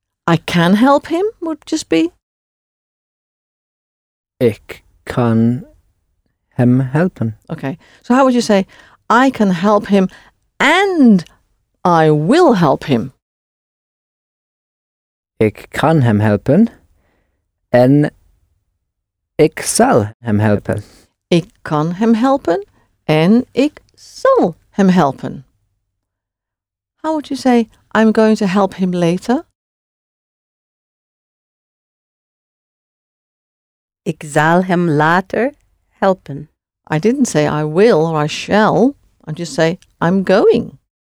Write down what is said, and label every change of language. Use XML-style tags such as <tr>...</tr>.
<en>I can help him would just be</en> <nl>ik kan hem helpen.</nl> <en>Okay. So how would you say I can help him and I will help him?</en> <nl>Ik kan hem helpen en ik zal hem helpen. Ik kan hem helpen en ik zal hem helpen.</nl> <en>How would you say I'm going to help him later?</en> <nl>Ik zal hem later helpen.</nl> <en>I didn't say I will or I shall. I just say I'm going.</en>